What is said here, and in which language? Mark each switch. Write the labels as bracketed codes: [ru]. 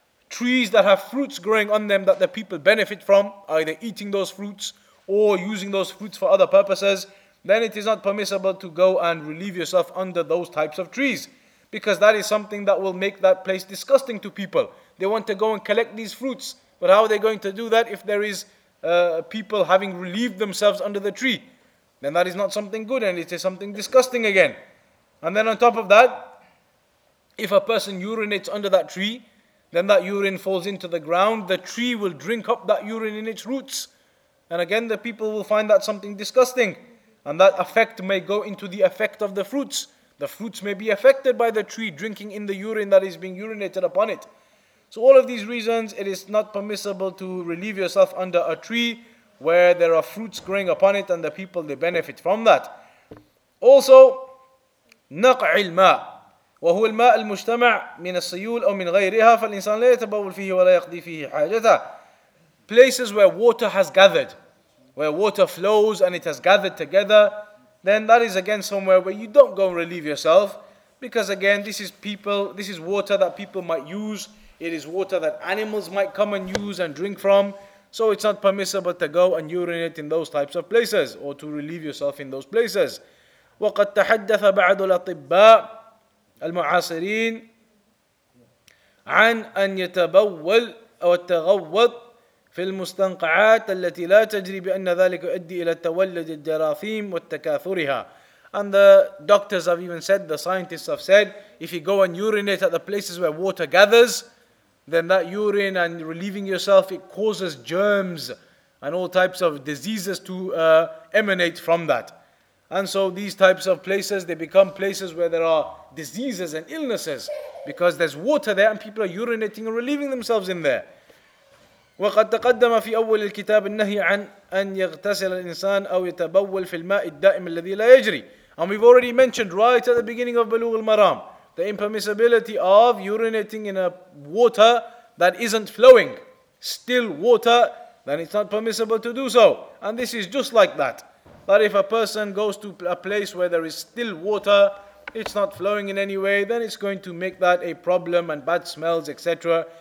[en] Trees that have fruits growing on them that the people benefit from, either eating those fruits or using those fruits for other purposes, then it is not permissible to go and relieve yourself under those types of trees. Because that is something that will make that place disgusting to people. They want to go and collect these fruits, but how are they going to do that if there is people having relieved themselves under the tree? Then that is not something good, and it is something disgusting again. And then on top of that, if a person urinates under that tree, then that urine falls into the ground, the tree will drink up that urine in its roots. And again, the people will find that something disgusting. And that effect may go into the effect of the fruits. The fruits may be affected by the tree drinking in the urine that is being urinated upon it. So all of these reasons, it is not permissible to relieve yourself under a tree where there are fruits growing upon it and the people, they benefit from that. [ar] Also, نَقْعِ الْمَاء وهو الماء المجتمع من السيول أو من غيرها فالإنسان لا يتبول فيه ولا يقضي فيه حاجته. [en] Places where water has gathered, where water flows and it has gathered together, then that is again somewhere where you don't go and relieve yourself, because again, this is water that people might use, it is water that animals might come and use and drink from, so it's not permissible to go and urinate in those types of places or to relieve yourself in those places. [ar] وقد تحدث بعض الأطباء المعاصرين عن أن يتبول أو التغوط في المستنقعات التي لا تجري بأن ذلك يؤدي إلى تولد الجراثيم والتكاثرها. [en] And the doctors have even said, the scientists have said, if you go and urinate at the places where water gathers, then that urine and relieving yourself, it causes germs and all types of diseases to emanate from that. And so these types of places, they become places where there are diseases and illnesses, because there's water there and people are urinating and relieving themselves in there. [ar] وقد تقدم في أول الكتاب النهي عن أن يغتسل الإنسان أو يتبول في الماء الدائم الذي لا يجري. [en] And we've already mentioned right at the beginning of Bulugh al-Maram the impermissibility of urinating in a water that isn't flowing. Still water, then it's not permissible to do so. And this is just like that. But if a person goes to a place where there is still water, it's not flowing in any way, then it's going to make that a problem and bad smells, etc.